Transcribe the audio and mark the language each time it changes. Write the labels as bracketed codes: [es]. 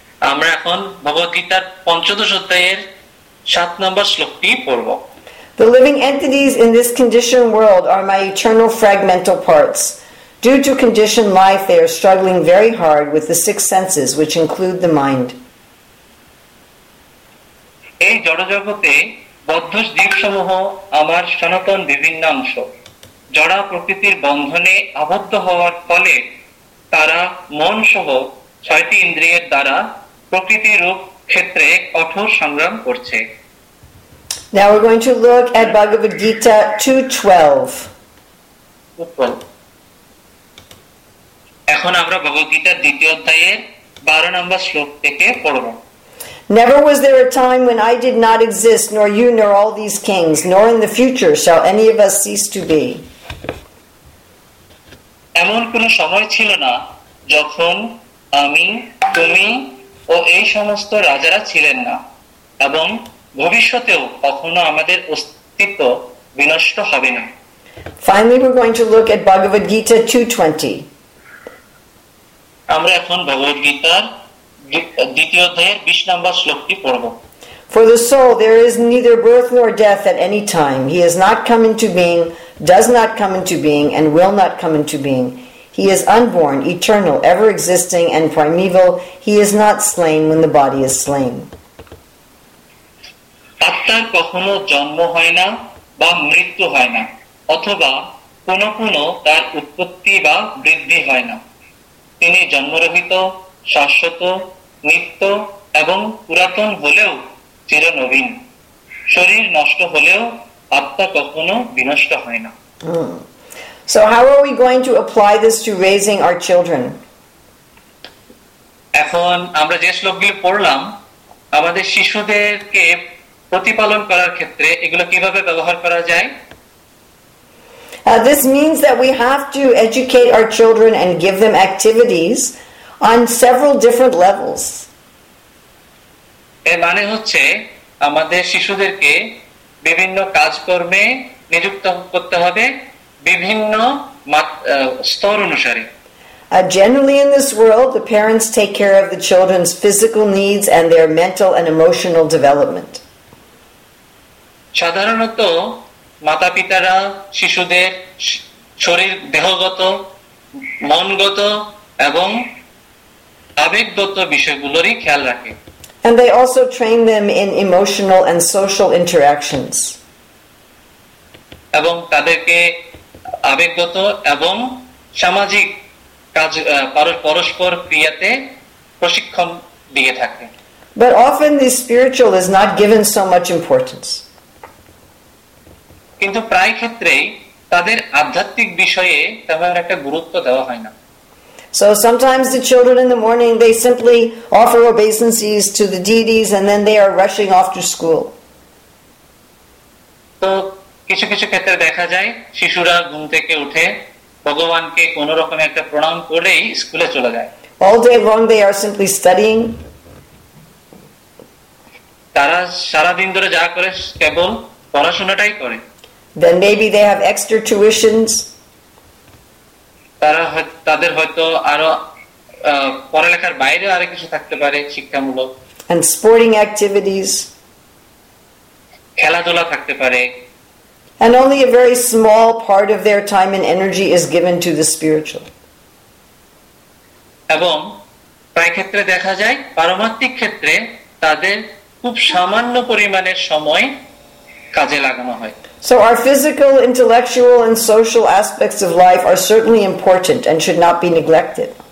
[bn] আমরা এখন ভগবদ গীতার পঞ্চদশ অধ্যায়ের 7 নম্বর শ্লোকটি পড়ব. [en] The living entities in this conditioned world are my eternal fragmental parts. Due to conditioned life, they are struggling very hard with the six senses, which include the mind. [bn] এই জড়জগতে বদ্ধ জীবসমূহ আমার সনাতন বিভিন্ন অংশ, জড়া প্রকৃতির বন্ধনে আবদ্ধ হওয়ার ফলে তারা মন সহ ছয়টি ইন্দ্রিয়ের দ্বারা প্রকৃতির রূপ ক্ষেত্রে কঠোর সংগ্রাম করছে। [en] Now we're going to look at Bhagavad Gita 2:12. [bn] এখন আমরা ভগবদ গীতার দ্বিতীয় অধ্যায়ের 12 নম্বর শ্লোক থেকে পড়ব। [en] Never was there a time when I did not exist, nor you, nor all these kings, nor in the future shall any of us cease to be. [bn] এমন কোন সময় ছিল না যখন আমি, তুমি ও এই সমস্ত রাজারা ছিলেন না, এবং ভবিষ্যতেও কখনো আমাদের অস্তিত্ব বিনষ্ট হবে না। [en] Finally, we're going to look at Bhagavad Gita 2:20. [bn] আমরা এখন ভগবদ গীতার দ্বিতীয় অধ্যায়ের 20 নম্বর শ্লোকটি পড়ব। [en] For the soul there is neither birth nor death at any time. He has not come into being, does not come into being, and will not come into being. He is unborn, eternal, ever existing, and primeval. He is not slain when the body is slain. [bn] আত্মার কখনো জন্ম হয় না বা মৃত্যু হয় না, অথবা কোনো কোনো তার উৎপত্তি বা বৃদ্ধি হয় না। তিনি জন্মরহিত, শাশ্বত, নিত্য এবং পুরাতন হলেও চির নবীন। শরীর নষ্ট হলেও আত্মা কখনো বিনষ্ট হয় না। [en] So how are we going to apply this to raising our children? [bn] এখন আমরা যে শ্লোকগুলি পড়লাম, আমাদের শিশুদেরকে প্রতিপালন করার ক্ষেত্রে এগুলো কিভাবে ব্যবহার করা যায়? [en] This means that we have to educate our children and give them activities on several different levels. [bn] এর মানে হচ্ছে আমাদের শিশুদেরকে বিভিন্ন কাজকর্মে নিযুক্ত করতে হবে বিভিন্ন স্তর অনুসারে। [en] Generally in this world, the parents take care of the children's physical needs and their mental and emotional development. [bn] সাধারণত মাতা পিতারা শিশুদের শরীর দেহগত, মনগত এবং আবেগগত বিষয়গুলোরই খেয়াল রাখে। [en] And they also train them in emotional and social interactions. [bn] এবং তাদেরকে আবেগগত এবং সামাজিক কাজ পরস্পর ক্রিয়াতে প্রশিক্ষণ দিয়ে থাকে। [en] But often the spiritual is not given so much importance. [bn] কিন্তু প্রায় ক্ষেত্রেই তাদের আধ্যাত্মিক বিষয়ে তেমন একটা গুরুত্ব দেওয়া হয় না। [en] So sometimes the children in the morning, they simply offer obeisances to the deities and then they are rushing off to school. [bn] তো কিছু কিছু ক্ষেত্রে দেখা যায় শিশুরা ঘুম থেকে উঠে ভগবানকে কোন রকমের একটা প্রণাম করেই স্কুলে চলে যায়। [en] All day long they are simply studying. [bn] তারা সারা দিন ধরে যা করে কেবল পড়াশোনাটাই করে। [en] Then maybe they have extra tuitions. [bn] তারা তাদের হয়তো আরো পড়ালেখার বাইরে আরো কিছু থাকতে পারে শিক্ষামূলক। [en] And sporting activities. [bn] খেলাধুলা থাকতে পারে। [en] And only a very small part of their time and energy is given to the spiritual. [bn] এবং প্রায় ক্ষেত্রে দেখা যায় পারমার্থিক ক্ষেত্রে তাদের খুব সামান্য পরিমাণের সময় কাজে লাগানো হয়। [en] So our physical, intellectual, and social aspects of life are certainly important and should not be neglected.